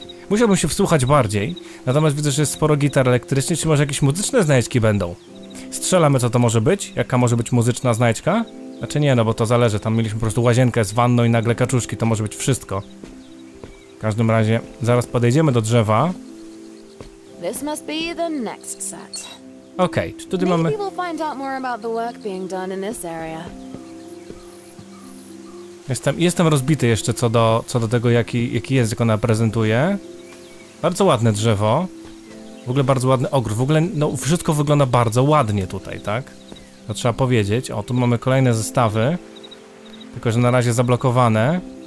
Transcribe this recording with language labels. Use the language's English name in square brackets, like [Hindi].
[Polish] Musiałbym się wsłuchać bardziej, natomiast widzę, że jest sporo gitar elektrycznych, czy może jakieś muzyczne znajdźki będą? Strzelamy, co to może być? Jaka może być muzyczna znajdźka? Znaczy nie, no bo to zależy, tam mieliśmy po prostu łazienkę z wanną i nagle kaczuszki, to może być wszystko. W każdym razie, zaraz podejdziemy do drzewa. [English] This must be the next set. [Polish] Okej, okay, czy tutaj mamy... [English] Maybe we'll find out more about the work being done in this area. [Polish] Jestem rozbity jeszcze co do tego, jaki język ona prezentuje. Bardzo ładne drzewo. W ogóle bardzo ładny ogród. W ogóle no, wszystko wygląda bardzo ładnie tutaj, tak? To trzeba powiedzieć. O, tu mamy kolejne zestawy. Tylko, że na razie zablokowane.